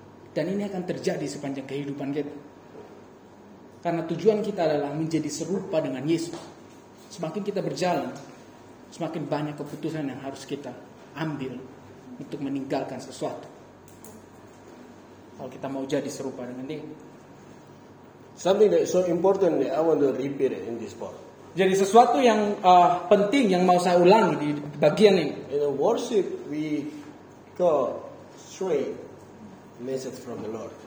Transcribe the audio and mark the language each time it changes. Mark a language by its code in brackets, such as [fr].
[id] Dan ini akan terjadi sepanjang kehidupan kita, karena tujuan kita adalah menjadi serupa dengan Yesus. Semakin kita berjalan, semakin banyak keputusan yang harus kita ambil untuk meninggalkan sesuatu kalau kita mau jadi serupa dengan Dia. [en] Something that is so important that I want to repeat in this part. [id] Jadi sesuatu yang penting yang mau saya ulangi di bagian ini. [en] In the worship, we got straight message from the Lord.